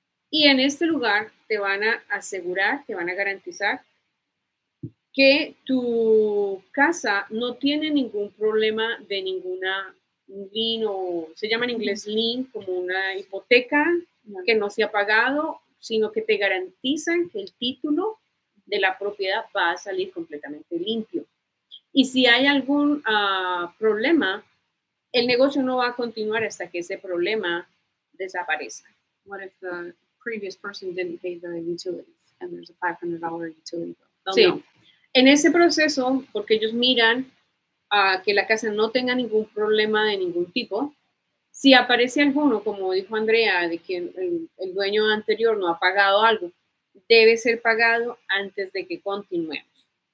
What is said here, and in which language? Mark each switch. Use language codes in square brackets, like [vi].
[es] Y en este lugar te van a asegurar, te van a garantizar que tu casa no tiene ningún problema de ninguna lien o se llama en inglés lien, como una hipoteca que no se ha pagado, sino que te garantizan que el título de la propiedad va a salir completamente limpio. Y si hay algún problema, el negocio no va a continuar hasta que ese problema desaparezca. [en] What if the previous person didn't pay the utilities and there's a $500 utility bill. [es] Sí. En ese proceso, porque ellos miran que la casa no tenga ningún problema de ningún tipo, si aparece alguno, como dijo Andrea, de que el dueño anterior no ha pagado algo, debe ser pagado antes de que continuemos.